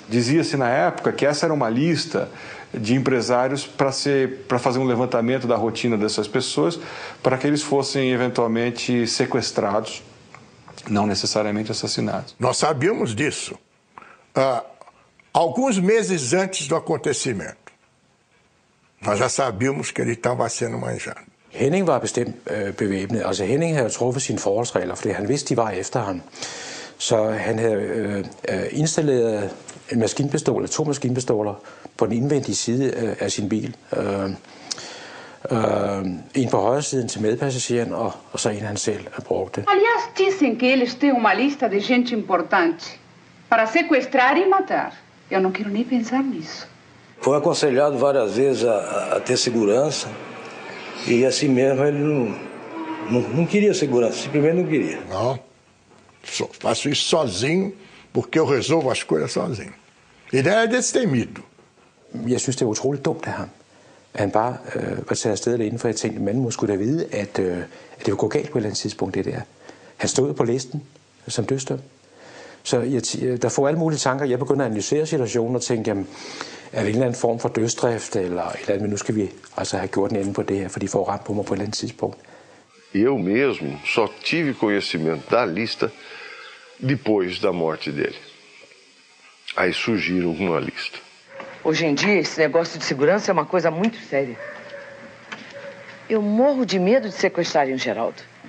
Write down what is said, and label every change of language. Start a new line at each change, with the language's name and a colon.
Portuguese: Dizia-se na época que essa era uma lista de empresários para fazer um levantamento da rotina dessas pessoas, para que eles fossem eventualmente sequestrados, não necessariamente assassinados. Nós sabíamos disso. Alguns meses antes do acontecimento, nós já sabíamos que ele estava sendo manjado.
Danish: Henning var bestemt bevæbnet. Altså Henning havde truffet sine forholdsregler, fordi han vidste, de var efter ham. Så han havde installeret en maskinpistol, to maskinpistoler, på den indvendige side af sin bil. En på højre siden til medpassageren, og så en han selv brugte.
Portuguese: Aliás, dizem que eles têm uma lista de gente importante para sequestrar e matar. Eu não quero nem pensar nisso. Foi aconselhado várias vezes a ter segurança, e assim mesmo ele não queria segurança, simplesmente não queria. Não, faço isso sozinho, porque eu resolvo as coisas sozinho. Ele era destemido.
Danish: Jeg synes, det er utroligt dumt af ham. Han bare var taget afsted alene, for jeg tænkte, man måske skulle da vide, at det ville gå galt på et eller andet tidspunkt, det der. Han stod på listen som dødsdømt. Så der får alle mulige tanker. Jeg begynder at analysere situationen og tænke, jamen, er det en eller anden form for dødsdrift, eller et eller andet, men nu skal vi altså have gjort en ende på det her, for de får ramt på mig på et eller andet tidspunkt.
Portuguese: Jeg mesmo så tive conhecimento da lista depois da morte dele. Aí surgiram uma lista. Hoje em dia, esse negócio de segurança é uma coisa muito séria. Eu morro de medo de sequestrarem o Geraldo.